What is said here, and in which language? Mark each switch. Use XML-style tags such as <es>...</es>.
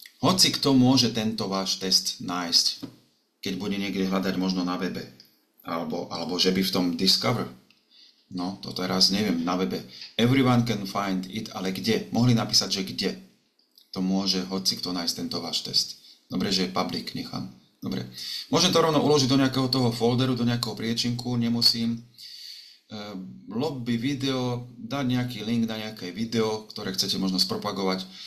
<sk>Hoci kto môže tento váš test nájsť, keď bude niekde hľadať možno na webe, alebo že by v tom Discover. No, to teraz neviem, na webe.</sk> <en>Everyone can find it,</en> <sk>ale kde? Mohli napísať, že kde? To môže hoci kto nájsť tento váš test. Dobre, že je public, nechám. Dobre. Môžem to rovno uložiť do nejakého toho folderu, do nejakého priečinku, nemusím. Lobby video, dať nejaký link na nejaké video, ktoré chcete možno spropagovať.</sk>